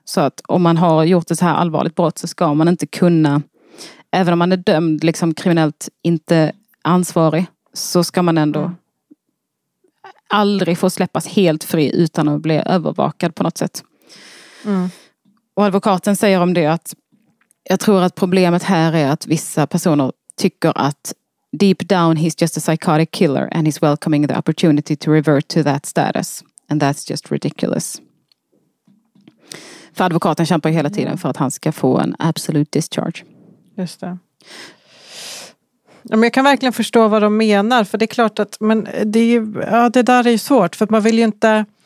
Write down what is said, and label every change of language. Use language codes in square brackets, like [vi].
[sv] Så att om man har gjort ett så här allvarligt brott så ska man inte kunna, även om man är dömd liksom kriminellt inte ansvarig, så ska man ändå aldrig få släppas helt fri utan att bli övervakad på något sätt. Mm. Och advokaten säger om det att jag tror att problemet här är att vissa personer tycker att [en] Deep down, he's just a psychotic killer and he's welcoming the opportunity to revert to that status. And that's just ridiculous. [sv] För advokaten kämpar hela tiden för att han ska få en absolut discharge. Just det. Ja, men jag kan verkligen förstå vad de menar. För det är klart att men det, är, ja, det där är ju svårt. För att man vill ju inte...